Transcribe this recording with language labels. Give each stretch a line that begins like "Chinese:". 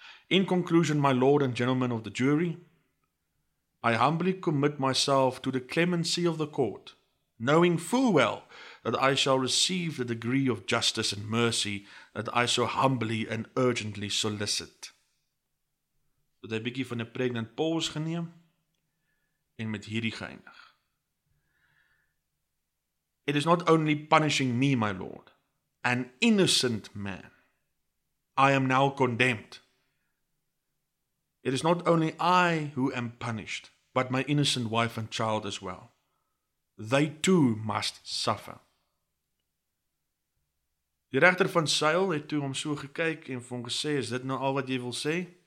English: In conclusion, my lord and gentlemen of the jury, I humbly commit myself to the clemency of the court, knowing full well that I shall receive the degree of justice and mercy that I so humbly and urgently solicit.
Afrikaans: Tot hy bietjie van 'n
English: pregnant pause
Afrikaans: geneem en met hierdie geëindig.
English: It is not only punishing me, my lord, an innocent man. I am now condemned. It is not only I who am punished, but my innocent wife and child as well. They too must suffer.
Afrikaans: Die regter van Sail het toe hom so gekyk en vir hom gesê, is dit nou al wat jy wil sê?